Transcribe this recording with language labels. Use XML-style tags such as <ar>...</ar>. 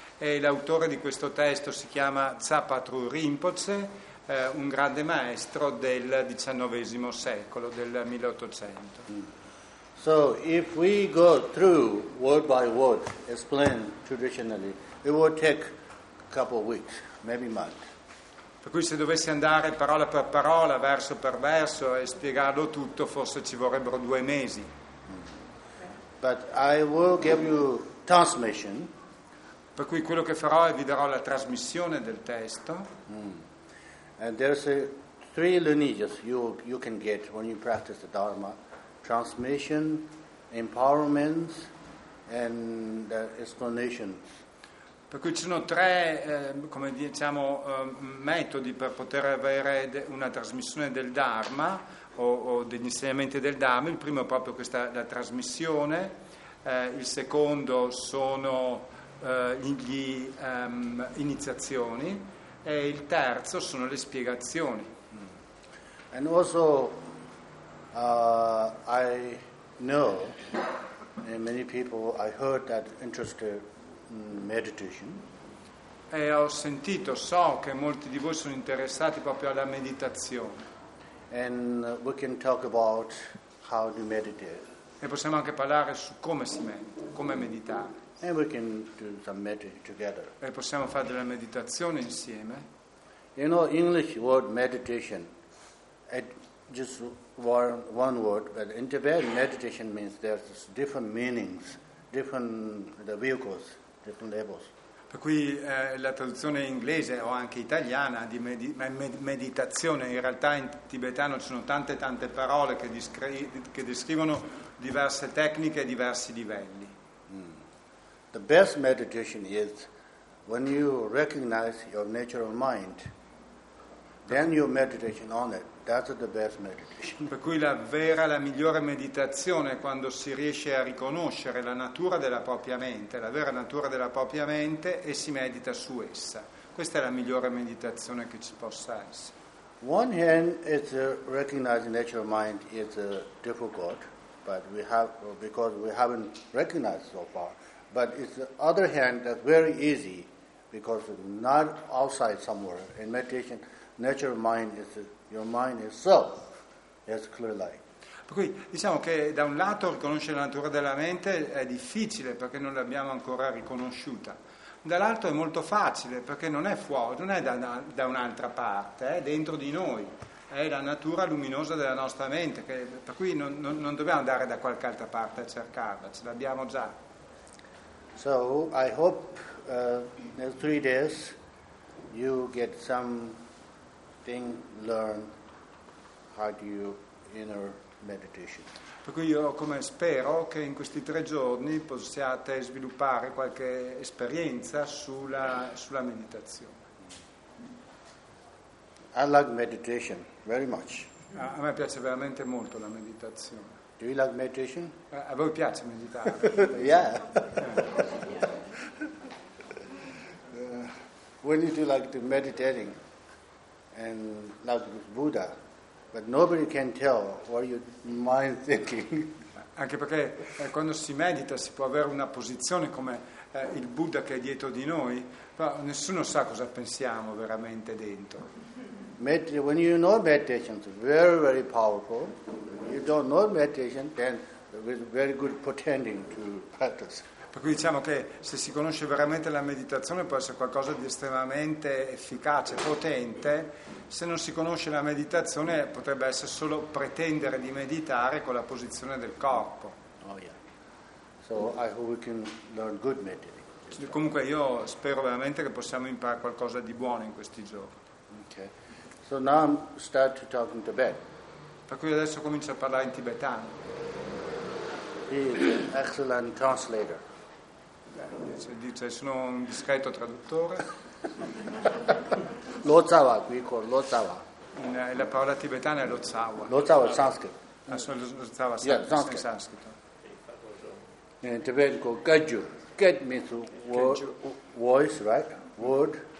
<it>E l'autore di questo testo si chiama Tsapatru Rinpoche, un grande maestro del XIX secolo, del 1800.</it> <en>So if we go through word by word, explain traditionally, it will take a couple of weeks, maybe month.</en> <it>Per cui se dovessi andare parola per parola, verso per verso, e spiegarlo tutto, forse ci vorrebbero due mesi.</it> <en>But I will give you transmission.</en> <it>Per cui quello che farò è vi darò la trasmissione del testo.</it> <en>And there's three lineages you can get when you practice the Dharma: transmission, empowerment, and explanation.</en> <it>Per cui ci sono tre, come diciamo, metodi per poter avere una trasmissione del Dharma o degli insegnamenti del Dharma. Il primo è proprio questa, la trasmissione. Il secondo sono gli iniziazioni. E il terzo sono le spiegazioni.</it> <en>And also I know and many people I heard that interested in meditation.</en> <it>E ho sentito, so che molti di voi sono interessati proprio alla meditazione.</it> <en>And we can talk about how to meditate.</en> <it>E possiamo anche parlare su come si medita, come meditare.</it> <en>And we can do some meditation together.</en> <it>E possiamo fare della meditazione insieme.</it> <en>You know, English word meditation, it's just one word, but in Tibetan meditation means there's different meanings, different the vehicles, different levels.</en> <it>Per cui la traduzione inglese o anche italiana di meditazione, in realtà in tibetano ci sono tante parole che descrivono diverse tecniche e diversi livelli.</it> <en>The best meditation is when you recognize your natural mind, then your meditation on it. That's the best meditation.</en> <it>Per cui la vera, la migliore meditazione è quando si riesce a riconoscere la natura della propria mente, la vera natura della propria mente, e si medita su essa. Questa è la migliore meditazione che ci possa essere.</it> <en>One hand is recognizing natural mind is difficult, but we have, because we haven't recognized so far. But it's the other hand that's very easy, because it's not outside somewhere. In meditation, natural mind is your mind itself. It's clear light.</en> <it>Per cui diciamo che da un lato riconoscere la natura della mente è difficile perché non l'abbiamo ancora riconosciuta. Dall'altro è molto facile perché non è fuori, non è da un'altra parte, è dentro di noi. È la natura luminosa della nostra mente, che, per cui non dobbiamo andare da qualche altra parte a cercarla, ce l'abbiamo già.</it> <en>So I hope in 3 days you get something learned how to do inner meditation.</en> <it>Per cui io come spero che in questi 3 giorni possiate sviluppare qualche esperienza sulla meditazione.</it> <en>I like meditation very much.</en> <it>A me piace veramente molto la meditazione.</it> <en>Do you like meditation?</en> <it>A voi piace meditare?</it> <en>Yeah. When you do like the meditating and like Buddha, but nobody can tell what your mind thinking.</en> <it>anche perché quando si medita si può avere una posizione come il Buddha che è dietro di noi, ma nessuno sa cosa pensiamo veramente dentro.</it> <en>When you know meditation is very very powerful, you don't know meditation, then with very good pretending to practice.</en> <it>Per cui diciamo che se si conosce veramente la meditazione può essere qualcosa di estremamente efficace, potente. Se non si conosce la meditazione potrebbe essere solo pretendere di meditare con la posizione del corpo.</it> <en>Oh yeah. So I hope we can learn good meditation.</en> <it>Comunque io spero veramente che possiamo imparare qualcosa di buono in questi giorni.</it> <en>Okay. So now I'm start to talk in Tibet.</en> <it>Per cui adesso comincio a parlare in tibetano.</it> <en>He is an excellent translator.</en> <it>Dice, sono un discreto traduttore. Lo zawa, qui con lo zawa. La parola tibetana è lo zawa. Lo zawa, sanscrito. Lo zawa, sanscrito. Yeah, sanscrito. In tibetico,</it> <en>gaju. Ged means voice, right? Word.</en>